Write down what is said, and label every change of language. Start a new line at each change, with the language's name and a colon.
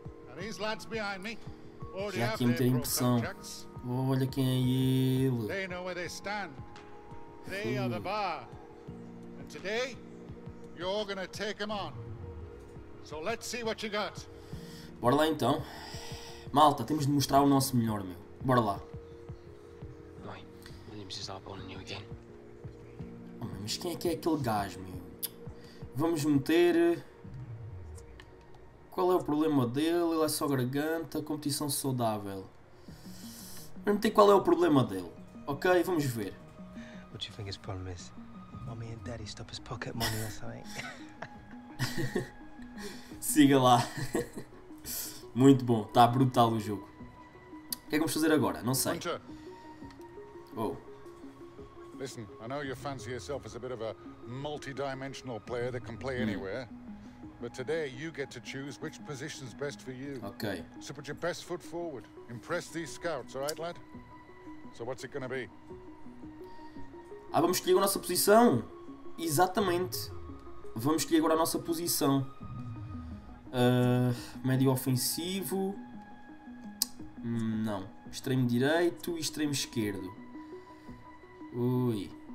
English: And these lads behind me already have their pro contracts.
Portuguese: Olha quem é ele.
English: They know where they stand. They are the bar. And today, you're gonna take them on. So let's see what you got.
Portuguese: Bora lá então. Malta, temos de mostrar o nosso melhor, meu. Bora lá. Oi, meu nome é Zabon New again. Oh, mas quem é que é aquele gajo, meu? Vamos meter. Qual é o problema dele? Ele é só garganta, competição saudável. Não tem qual é o problema dele. Ok, vamos ver.
English: What do you think his problem is? Mommy and daddy stop his pocket money or something.
Portuguese: Siga lá. Muito bom, está brutal o jogo. O que é que vamos fazer agora? Não sei. Hunter. Oh.
English: Listen, I know you fancy yourself as a bit of a multi-dimensional player that can play anywhere. But today you get to choose which position is best for you. Okay. So put your best foot forward. Impress these scouts, all right, lad? So what's it gonna be?
Portuguese: Ah, vamos escolher a nossa posição? Exatamente. Vamos escolher agora a nossa posição. Médio ofensivo. Não. Extremo direito e extremo esquerdo. Ui.